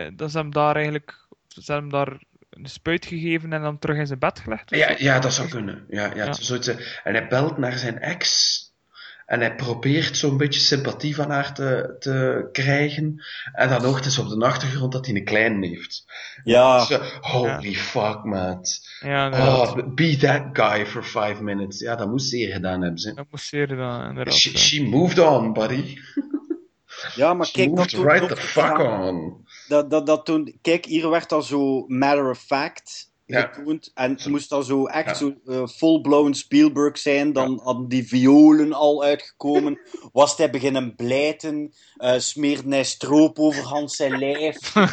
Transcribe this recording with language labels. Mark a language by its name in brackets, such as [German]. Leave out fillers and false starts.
[Dutch] Dan zijn hem daar een spuit gegeven en dan terug in zijn bed gelegd? Ja, dat zou kunnen. Ja. En hij belt naar zijn ex. En hij probeert zo'n beetje sympathie van haar te krijgen. En dan hoort hij op de achtergrond dat hij een klein heeft. Ja. [English] Zo, holy fuck, man. [Dutch] Ja, [English] oh, be that guy for 5 minutes. [Dutch] Ja, dat moest zeer gedaan hebben. Ze. Dat moest zeer gedaan, inderdaad. [English] She moved on, buddy. [Dutch] Ja, maar kijk, [English] moved [Dutch] toen, [English] right the fuck on. [Dutch] Dat toen, kijk, hier werd al zo [English] matter of fact... [Dutch] Ja. Getoond, en het moest dan zo echt zo full-blown Spielberg zijn, dan hadden die violen al uitgekomen, was hij beginnen blijten, smeerde hij stroop over Hans zijn lijf.